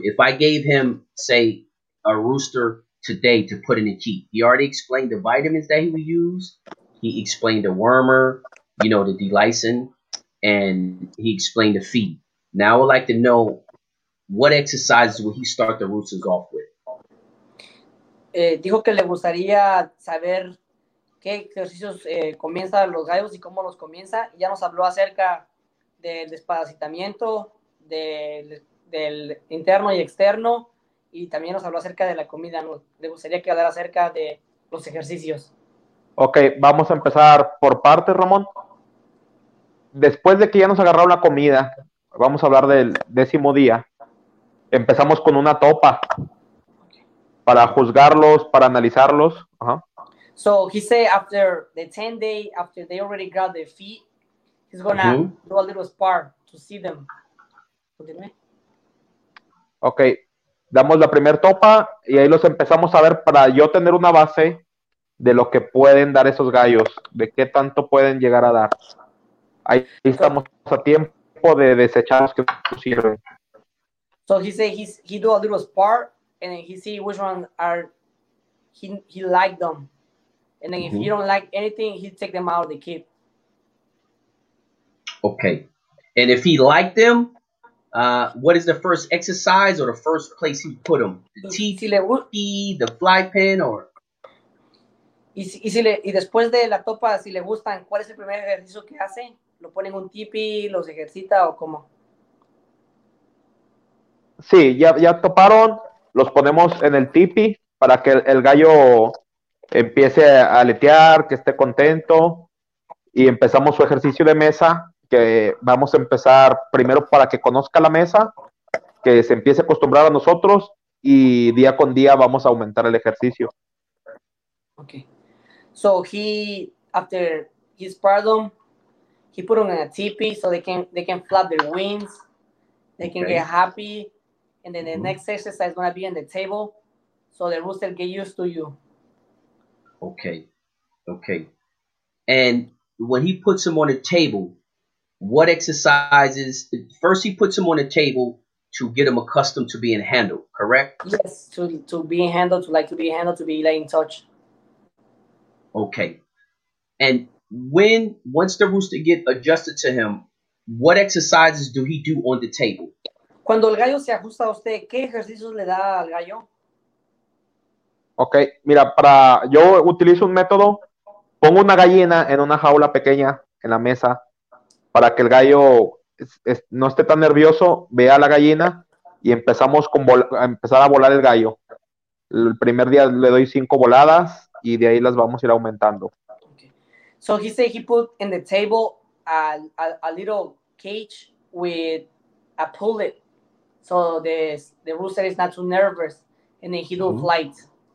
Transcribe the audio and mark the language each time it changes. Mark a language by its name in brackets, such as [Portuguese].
[English] If I gave him, say, a rooster today to put in the keep, he already explained the vitamins that he would use. He explained the wormer, you know, the delicin, and he explained the feed. Now I would like to know what exercises will he start the roosters off with. [Spanish] Dijo que le gustaría saber qué ejercicios comienza los gallos y cómo los comienza. Ya nos habló acerca del desparasitamiento, del interno y externo, y también nos habló acerca de la comida. Le gustaría que hablara acerca de los ejercicios. Ok, vamos a empezar por partes, Ramón. Después de que ya nos agarraron la comida, vamos a hablar del décimo día. Empezamos con una topa para juzgarlos, para analizarlos. Uh-huh. [English] So he said after the 10 day, after they already got their feet, he's gonna do a little spar to see them. [Spanish] Okay, damos la primer topa y ahí los empezamos a ver para yo tener una base de lo que pueden dar esos gallos, de qué tanto pueden llegar a dar. Ahí estamos a tiempo de desechar los que no sirven. [English] So he said he do a little spar and then he see which one are he like them. And then if he don't like anything, he take them out of the kit. Okay. And if he like them, what is the first exercise or the first place he put them? The the fly pin, or? [Spanish] Y después de la topa, si le gustan, ¿cuál es el primer ejercicio que hace? ¿Lo ponen un tipi, los ejercita o cómo? Sí, ya toparon, los ponemos en el tipi para que el gallo empiece a aletear, que esté contento, y empezamos su ejercicio de mesa, que vamos a empezar primero para que conozca la mesa, que se empiece a acostumbrar a nosotros, y día con día vamos a aumentar el ejercicio. Okay. [English] So he, after his pardon, he put them in a teepee so they can flap their wings, they can get happy, and then the next exercise is going to be on the table, so the rooster get used to you. Okay. And when he puts them on the table, what exercises, first he puts them on the table to get them accustomed to being handled, correct? Yes, to be handled, to be laid in touch. Okay. And once the rooster get adjusted to him, what exercises do he do on the table? [Spanish] Cuando el gallo se ajusta a usted, ¿qué ejercicios le da al gallo? Okay, mira, yo utilizo un método, pongo una gallina en una jaula pequeña en la mesa para que el gallo no esté tan nervioso, vea la gallina y empezamos a empezar a volar el gallo. El primer día le doy 5 voladas y de ahí las vamos a ir aumentando. [English] Okay. So he said he put in the table a little cage with a pullet so the rooster is not too nervous and then he do flights.